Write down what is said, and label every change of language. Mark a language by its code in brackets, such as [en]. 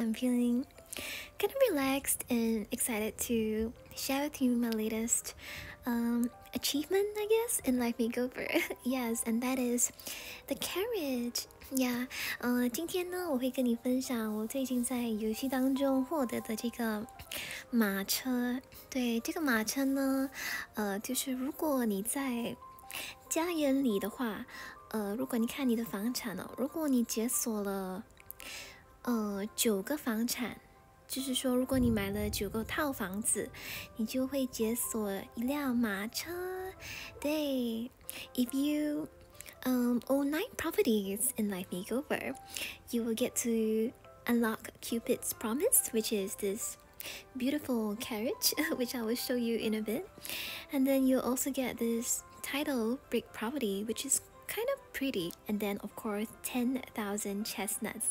[en] I'm feeling kind of relaxed and excited to share with you my latest achievement, I guess, in Life Makeover. Yes, and that is the carriage. [zh] Yeah, 今天呢，我会跟你分享我最近在游戏当中获得的这个马车。对，这个马车呢，就是如果你在家园里的话，如果你看你的房产哦，如果你解锁了九个房产，就是说如果你买了九个套房子，你就会解锁一辆马车。 [en] 对， If you own 9 properties in Life Makeover, you will get to unlock Cupid's promise, which is this beautiful carriage, which I will show you in a bit. And then you'll also get this title brick property, which is kind of pretty, and then of course 10,000 chestnuts.